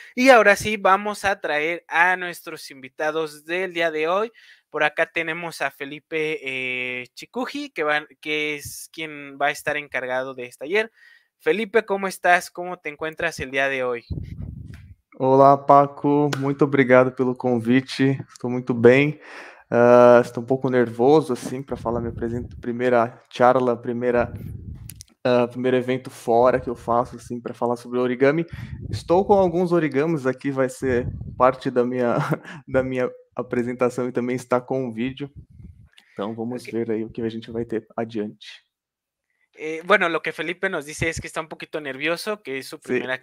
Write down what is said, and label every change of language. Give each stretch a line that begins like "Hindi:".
Spanish: Y ahora sí, vamos a traer a nuestros invitados del día de hoy. Por acá tenemos a Felipe Chicuji, que es quien va a estar encargado de este taller. Felipe, ¿cómo estás? ¿Cómo te encuentras el día de hoy? Hola, Paco.
Portuguese: Muito obrigado pelo convite. Estou muito bem. Estou um pouco nervoso, assim, para falar minha primeira charla, primeiro evento fora que eu faço, assim, para falar sobre origami. Estou com alguns origamis aqui, vai ser parte da minha apresentação e também está com um vídeo. Então, vamos okay. Ver aí o que a gente vai ter adiante.
Spanish: Bueno, lo que Felipe nos dice es que está un poquito nervioso, que es su primera sí.